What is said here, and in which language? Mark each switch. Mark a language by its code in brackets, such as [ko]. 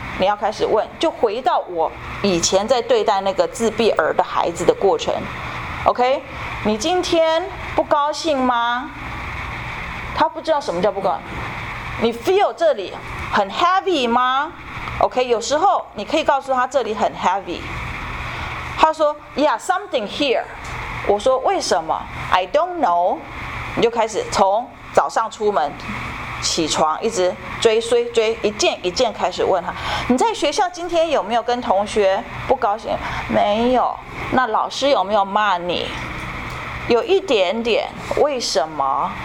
[zh] 你要开始问，就回到我以前在对待那个自闭儿的孩子的过程。 OK， 你今天不高兴吗？他不知道什么叫不高兴，你 feel 这里很 heavy 吗 ？OK， 有时候你可以告诉他这里很 heavy。他说 ， [en] Yeah， something here。 [zh] 我说为什么 ？ [en] I don't know。 [zh] 你就开始从早上出门、起床，一直追，一件一件开始问他。你在学校今天有没有跟同学不高兴？没有。那老师有没有骂你？有一点点。为什么？